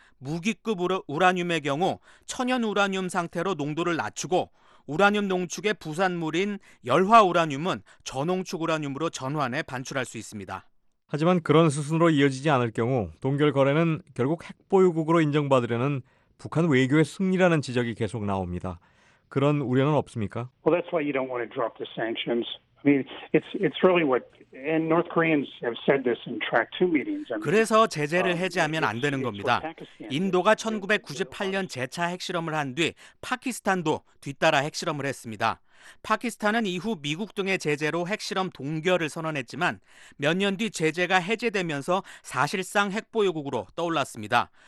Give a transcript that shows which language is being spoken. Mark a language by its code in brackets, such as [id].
[ko] 무기급 우라늄의 경우 천연 우라늄 상태로 농도를 낮추고 우라늄 농축의 부산물인 열화 우라늄은 저농축 우라늄으로 전환해 반출할 수 있습니다. 하지만 그런 수순으로 이어지지 않을 경우 동결 거래는 결국 핵 보유국으로 인정받으려는 북한 외교의 승리라는 지적이 계속 나옵니다. 그런 우려는 없습니까? [en] Well, that's why you don't want to drop the sanctions. I mean, it's really what and North Koreans have said this in track 2 meetings. [ko] 그래서 제재를 해제하면 안 되는 겁니다. 인도가 1998년 재차 핵실험을 한 뒤 파키스탄도 뒤따라 핵실험을 했습니다. 파키스탄은 이후 미국 등의 제재로 핵실험 동결을 선언했지만 몇 년 뒤 제재가 해제되면서 사실상 핵보유국으로 떠올랐습니다.